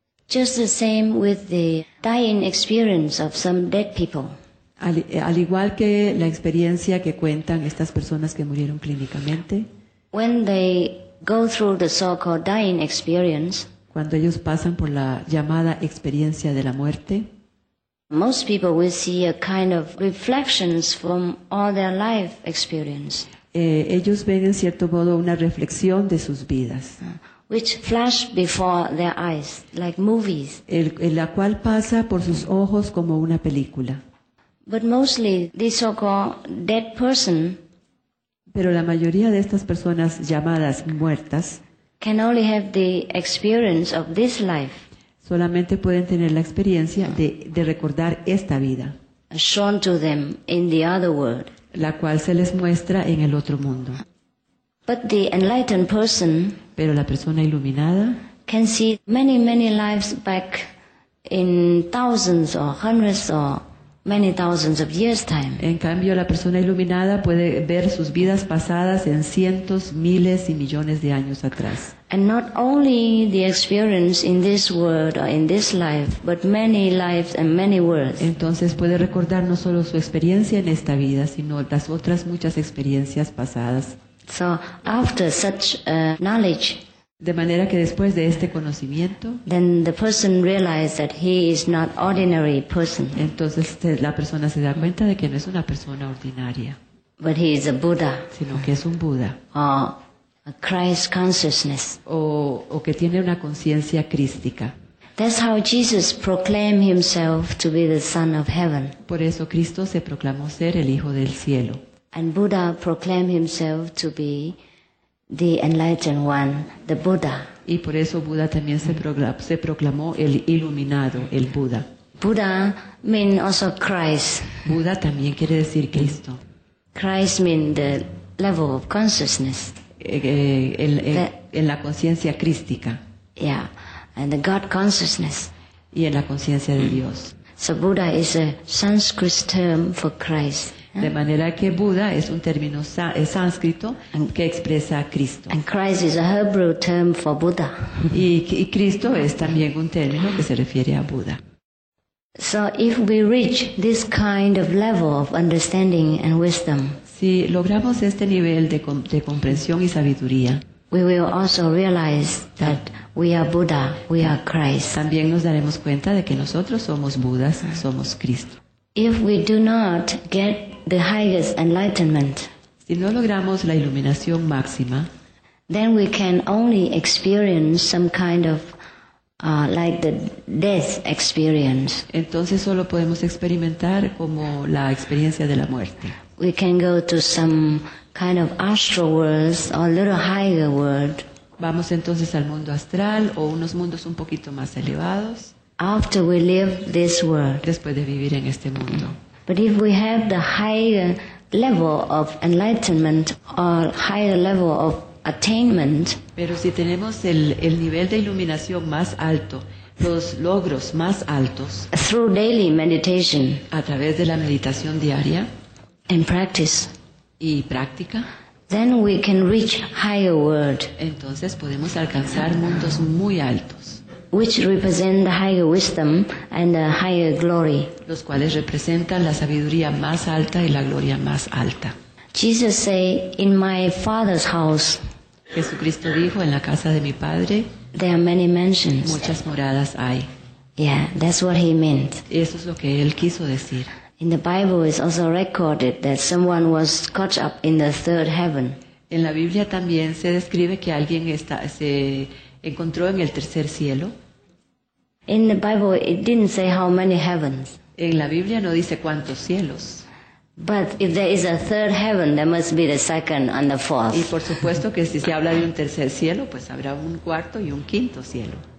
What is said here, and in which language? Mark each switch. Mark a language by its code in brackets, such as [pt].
[en] Just the same with the dying experience of some dead people. [es] Al igual que la experiencia que cuentan estas personas que murieron clínicamente. [en] When they go through the so-called dying experience. [es] Cuando ellos pasan por la llamada experiencia de la muerte. [en] Most people will see a kind of reflections from all their life experience. [es] Ellos ven en cierto modo una reflexión de sus vidas. [en] Which flash before their eyes, like movies. [es] La cual pasa por sus ojos como una película. [en] But mostly this so-called dead person. [es] Pero la mayoría de estas personas llamadas muertas. [en] Can only have the experience of this life. [es] Solamente pueden tener la experiencia de recordar esta vida. [en] Shown to them in the other world. [es] La cual se les muestra en el otro mundo. [en] But the enlightened person, [es] pero la persona iluminada, [en] can see many, many lives back in thousands or hundreds or many thousands of years time. [es] En cambio, la persona iluminada puede ver sus vidas pasadas en cientos, miles y millones de años atrás. [en] And not only the experience in this world or in this life, but many lives and many worlds. [es] Entonces puede recordar no solo su experiencia en esta vida, sino las otras muchas experiencias pasadas. [en] So after such knowledge, [es] de manera que después de este conocimiento, [en] then the person realizes that he is not ordinary person. [es] Entonces la persona se da cuenta de que no es una persona ordinaria. [en] But he is a Buddha. [es] Sino que es un Buddha. [en] A Christ consciousness. [es] O que tiene una conciencia crística. [en] That's how Jesus proclaimed himself to be the Son of Heaven. [es] Por eso Cristo se proclamó ser el Hijo del Cielo. [en] And Buddha proclaimed himself to be the enlightened one, the Buddha. [es] Y por eso Buda también se proclamó el iluminado, el Buda. [en] Buddha means also Christ. [es] Buda también quiere decir Cristo. [en] Christ means the level of consciousness. [es] En la conciencia crística. [en] Yeah, and the God consciousness. [es] Y en la conciencia de Dios. [en] So Buddha is a Sanskrit term for Christ. [es] De manera que Buda es un término sánscrito que expresa a Cristo. [en] And Christ is a Hebrew term for Buddha. [es] Y Cristo es también un término que se refiere a Buda. [en] So if we reach this kind of level of understanding and wisdom, [es] si logramos este nivel de comprensión y sabiduría, [en] we will also realize that we are Buddha, we are Christ. [es] También nos daremos cuenta de que nosotros somos Budas, somos Cristo. [en] If we do not get the highest enlightenment, [es] si no logramos la iluminación máxima, [en] then we can only experience some kind of like the death experience. [es] Entonces solo podemos experimentar como la experiencia de la muerte. [en] We can go to some kind of astral worlds or a little higher world. [es] Vamos entonces al mundo astral o unos mundos un poquito más elevados. [en] After we leave this world. [es] Después de vivir en este mundo. [en] But if we have the higher level of enlightenment or higher level of attainment. [es] Pero si tenemos el nivel de iluminación más alto, los logros más altos. [en] Through daily meditation. [es] A través de la meditación diaria. [en] And practice. [es] Y práctica. [en] Then we can reach higher world. [es] Entonces podemos alcanzar mundos muy altos. [en] Which represent the higher wisdom and the higher glory. [es] Los cuales representan la sabiduría más alta y la gloria más alta. [en] Jesus say, in my Father's house. [es] Jesucristo dijo, en la casa de mi padre. [en] There are many mansions. [es] Muchas moradas hay. [en] Yeah, that's what he meant. [es] Eso es lo que él quiso decir. [en] In the Bible is also recorded that someone was caught up in the third heaven. [es] En la Biblia también se describe que alguien se encontró en el tercer cielo. [en] In the Bible it didn't say how many heavens. [es] En la Biblia no dice cuántos cielos. [en] But if there is a third heaven, there must be the second and the fourth. [es] Y por supuesto que si se habla de un tercer cielo, pues habrá un cuarto y un quinto cielo.